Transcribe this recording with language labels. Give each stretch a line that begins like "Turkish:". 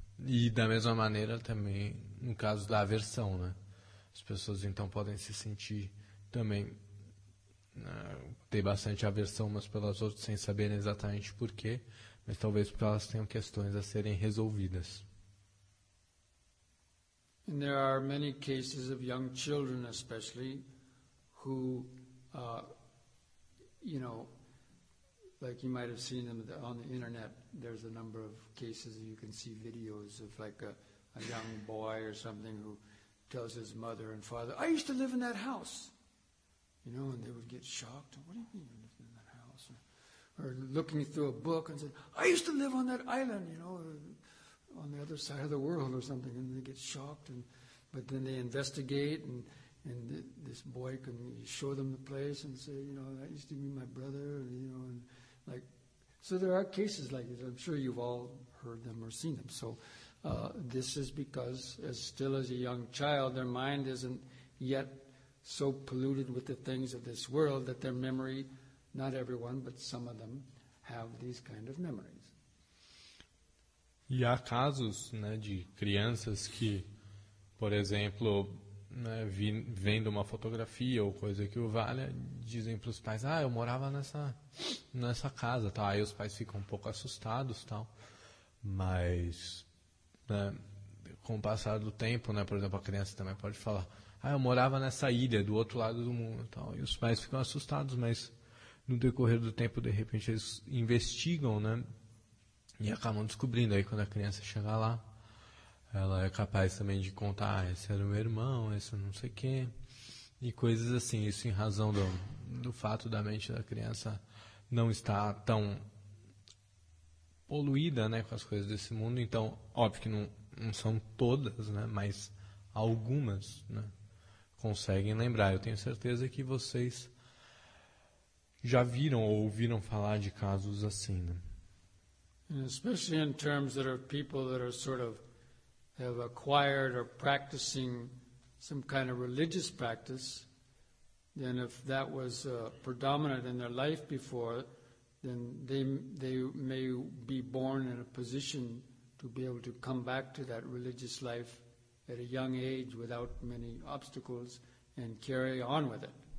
Portuguese: E da mesma maneira também no caso da aversão, né? As pessoas então podem se sentir também, né, ter bastante aversão umas pelas outras sem saberem exatamente por quê, mas talvez porque elas tenham questões a serem resolvidas.
English: And there are many cases of young children, especially, who, you know, like you might have seen them on the internet. There's a number of cases you can see videos of, like a young boy or something who tells his mother and father, "I used to live in that house," you know, and they would get shocked. "What do you mean you lived in that house?" Or looking through a book and said, "I used to live on that island," you know. On the other side of the world or something, and they get shocked, but then they investigate, and this boy can show them the place and say, "You know, that used to be my brother," and, you know, and like, so there are cases like this. I'm sure you've all heard them or seen them. So this is because, as still as a young child, their mind isn't yet so polluted with the things of this world that their memory, not everyone, but some of them, have these kind of memories.
Portuguese: E há casos, né, de crianças que, por exemplo, né, vendo uma fotografia ou coisa que o valha, dizem para os pais: "Ah, eu morava nessa casa." Tá? Aí os pais ficam um pouco assustados, tal. Mas, né, com o passar do tempo, né, por exemplo, a criança também pode falar: "Ah, eu morava nessa ilha do outro lado do mundo." Tal. E os pais ficam assustados, mas no decorrer do tempo, de repente, eles investigam, né? E acabam descobrindo aí quando a criança chegar lá. Ela é capaz também de contar: "Ah, esse era o meu irmão, esse não sei quem." E coisas assim, isso em razão do fato da mente da criança não estar tão poluída, né, com as coisas desse mundo. Então, óbvio que não são todas, né, mas algumas, né, conseguem lembrar. Eu tenho certeza que vocês já viram ou ouviram falar de casos assim, né?
English: And especially in terms that are people that are sort of have acquired or practicing some kind of religious practice, then if that was predominant in their life before, then they may be born in a position to be able to come back to that religious life at a young age without many obstacles and carry on with it.